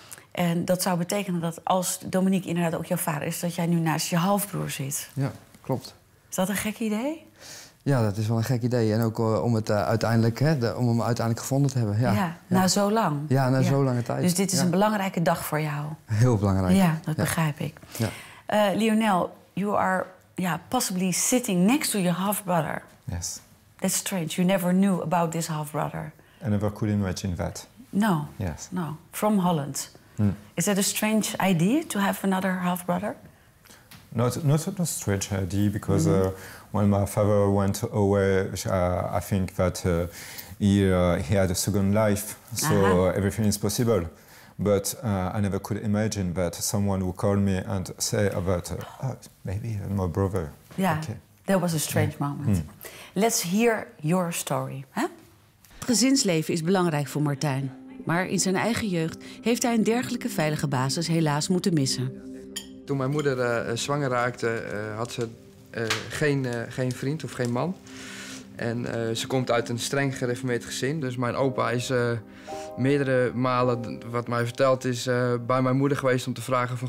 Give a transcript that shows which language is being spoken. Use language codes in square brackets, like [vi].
[nl] En dat zou betekenen dat als Dominique inderdaad ook jouw vader is... dat jij nu naast je halfbroer zit. Ja, klopt. Is dat een gek idee? Ja, dat is wel een gek idee. En ook om het uiteindelijk, om hem uiteindelijk gevonden te hebben. Ja, na zo lang. Ja, na zo lange tijd. Dus dit is een belangrijke dag voor jou. Heel belangrijk. Ja, dat begrijp ik. Ja. [en] Lionel, you are possibly sitting next to your half-brother. Yes. That's strange. You never knew about this half-brother. I never could imagine that. No. Yes. No. From Holland. Mm. Is that a strange idea to have another half-brother? Not a strange idea, because when my father went away, I think that he had a second life, so everything is possible. But I never could imagine that someone would call me and say about maybe my brother. Yeah, okay. That was a strange moment. Mm. Let's hear your story. Huh? [nl] Gezinsleven is belangrijk voor Martijn. Maar in zijn eigen jeugd heeft hij een dergelijke veilige basis helaas moeten missen. Toen mijn moeder zwanger raakte, had ze geen vriend of geen man. En ze komt uit een streng gereformeerd gezin. Dus mijn opa is meerdere malen, wat mij verteld is, bij mijn moeder geweest om te vragen van...